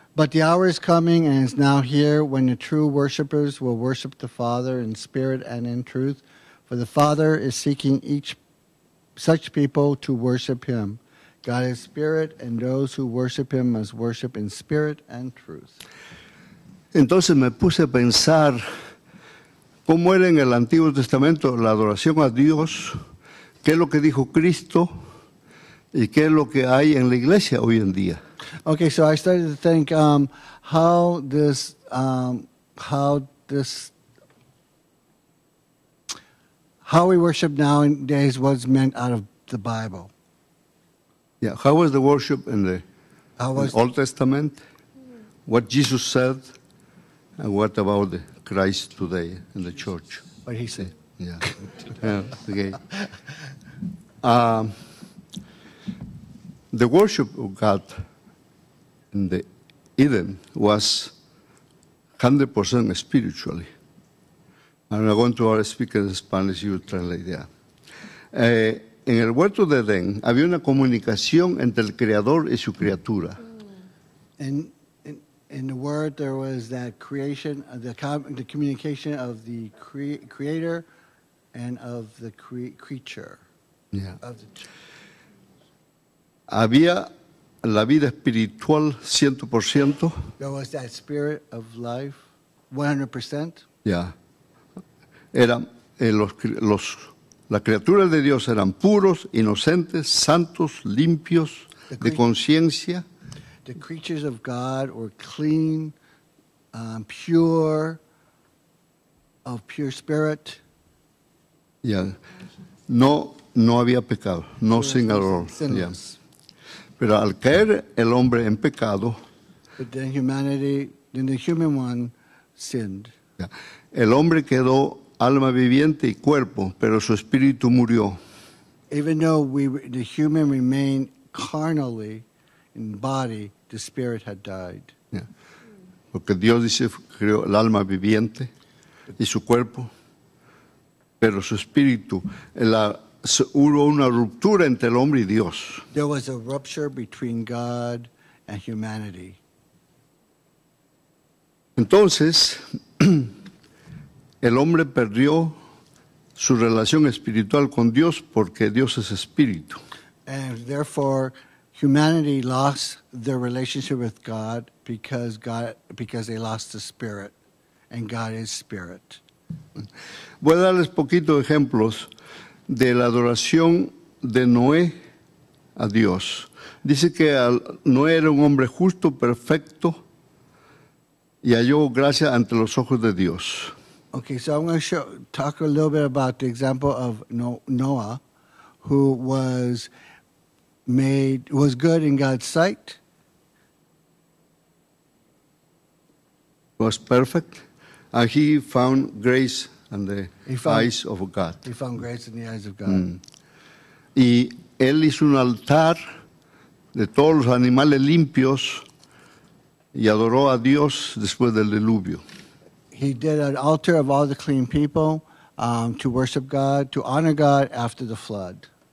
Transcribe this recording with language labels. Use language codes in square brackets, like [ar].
[en] But the hour is coming and is now here when the true worshipers will worship the Father in spirit and in truth. For the Father is seeking each such people to worship him. God is spirit, and those who worship him must worship in spirit and truth. [es] Entonces me puse a pensar... ¿Cómo era en el Antiguo Testamento la adoración a Dios? ¿Qué es lo que dijo Cristo? ¿Y qué es lo que hay en la iglesia hoy en día? [en] Okay, so I started to think how we worship nowadays was meant out of the Bible. Yeah, how was the worship in the Old Testament? What Jesus said and what about the Christ today in the church. What he said. Yeah. Okay. The worship of God in the Eden was 100% spiritually. I'm not going to speak in Spanish, you translate that. [es] En el huerto de Edén había una comunicación entre el creador y su criatura. [en] In the word, there was that creation, the communication of the creator and of the creature. Yeah. [es] Había la vida espiritual 100%. [en] There was that spirit of life 100%. Yeah. [es] Eran los Las criaturas de Dios eran puros, inocentes, santos, limpios de conciencia. [en] The creatures of God were clean, pure, of pure spirit. Yeah. [es] No había pecado, no so sin error. [en] Yeah. [es] Pero al caer el hombre en pecado, [en] but then humanity, then the human one sinned. Yeah. [es] El hombre quedó alma viviente y cuerpo, pero su espíritu murió. [en] Even though the human remained carnally in body, the spirit had died. Yeah. [es] Porque Dios dice creó el alma viviente y su cuerpo, pero su espíritu, hubo una ruptura entre el hombre y Dios. [en] There was a rupture between God and humanity. [es] Entonces, el hombre perdió su relación espiritual con Dios porque Dios es espíritu. [en] And therefore, humanity lost their relationship with God because they lost the spirit, and God is spirit. [es] Voy a darles poquito ejemplos de la adoración de Noé a Dios. Dice que Noé era un hombre justo, perfecto, y halló gracia ante los ojos de Dios. [en] Okay, so I'm going to talk a little bit about the example of Noah, who was was good in God's sight. Was perfect, and he found grace in the eyes of God. He found grace in the eyes of God. [es] Y él hizo un altar de todos los animales limpios y adoró a Dios después del diluvio. [en] He did an altar of all the clean people to worship God, to honor God after the flood.